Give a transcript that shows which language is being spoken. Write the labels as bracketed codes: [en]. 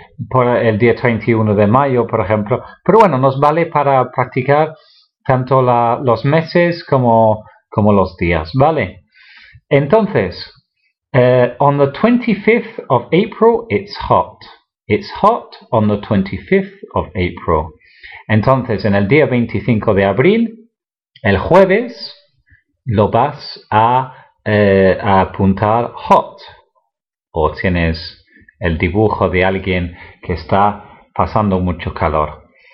[es] Por el día 31 de mayo, por ejemplo. Pero bueno, nos vale para practicar tanto los meses como los días. ¿Vale? Entonces, [en] on the 25th of April, it's hot. It's hot on the 25th of April. [es] Entonces, en el día 25 de abril, el jueves, lo vas a apuntar [en] hot. [es] O tienes el dibujo de alguien que está pasando mucho calor.